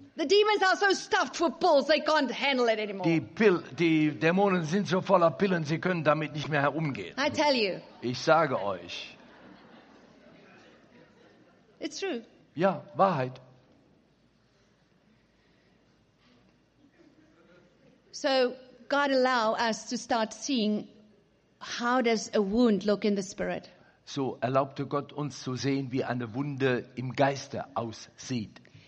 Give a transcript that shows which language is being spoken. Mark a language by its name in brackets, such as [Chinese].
[English] The demons are so stuffed for pills, they can't handle it anymore. [German] Die Dämonen sind so voller Pillen, sie können damit nicht mehr herumgehen. [English] I tell you. [German] Ich sage euch. [English] It's true. [German] Ja, Wahrheit. [English] So God allow us to start seeing how does a wound look in the spirit. [German] So erlaubte Gott uns zu sehen, wie eine Wunde im Geiste aussieht.